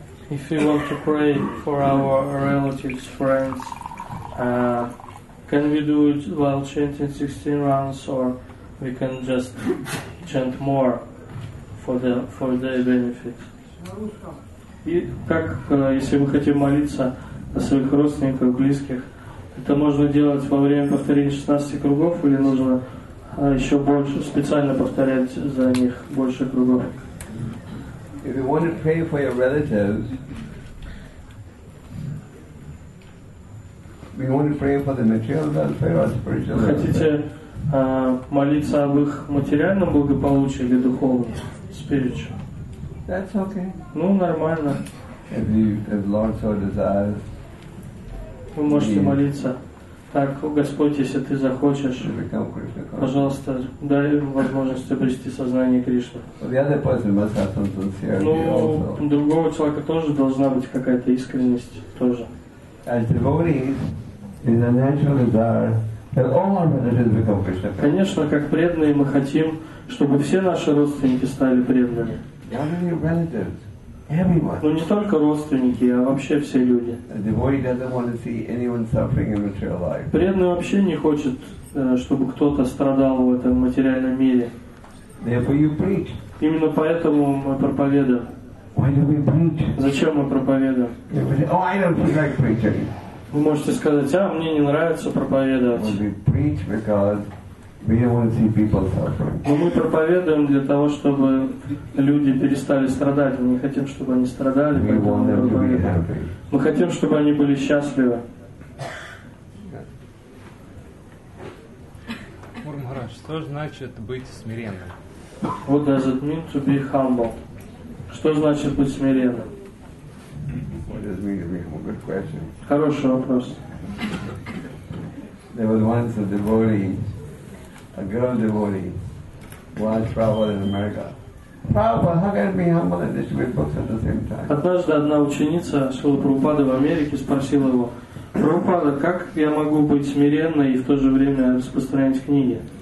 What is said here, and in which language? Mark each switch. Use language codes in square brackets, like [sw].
[en] If we want to pray for our relatives, friends, can we do it while chanting 16 rounds, or we can just chant more for their benefit? [ru] И как, если вы хотите молиться о своих родственниках, близких, это можно делать во время повторения 16 кругов или нужно еще больше, специально повторять за них больше кругов? [en] If you want to pray for your relatives, we want to pray for the material welfare or spiritual welfare. [ru] Хотите молиться об их материальном благополучии или духовном, [en] spiritual? That's okay. [ru] Ну, нормально. [en] If Lord so desires. [ru] Вы можете молиться. Так, Господь, если ты захочешь, пожалуйста, дай им возможность обрести сознание Кришны. Ну, другого человека тоже должна быть какая-то искренность тоже. [en] As devotees, it's a natural desire that all our relatives become Krishna. [ru] Конечно, как преданные мы хотим, чтобы все наши родственники стали преданными. [en] Not only relatives, everyone. [ru] Но не только родственники, а вообще все люди. [en] A devotee doesn't want to see anyone suffering in material life. [ru] Преданный вообще не хочет, чтобы кто-то страдал в этом материальном мире. [en] Therefore, you preach. [ru] Именно поэтому мы проповедуем. [en] Why do we preach? [ru] Зачем мы проповедуем? [en] Oh, I don't feel like preaching. [ru] Вы можете сказать, а мне не нравится проповедовать. [en] Well, we preach because we don't want to see people suffering. [ru] Но мы проповедуем для того, чтобы люди перестали страдать. Мы не хотим, чтобы они страдали. [en] We want them to be happy. [ru] Мы хотим, чтобы они были счастливы. Что значит быть смиренным? [en] What does it mean to be humble? [ru] Что значит быть смиренным? [en] What does it mean to be humble? Good question. [ru] Хороший вопрос. [en] There was once a devotee, a girl devotee, while traveling in America. Prabhupada, how can I be humble and distribute books at the same time? [ru] Однажды одна ученица Шрилы Прабхупады в Америке спросила его: Прабхупада, как я могу быть смиренной и в то же время распространять книги?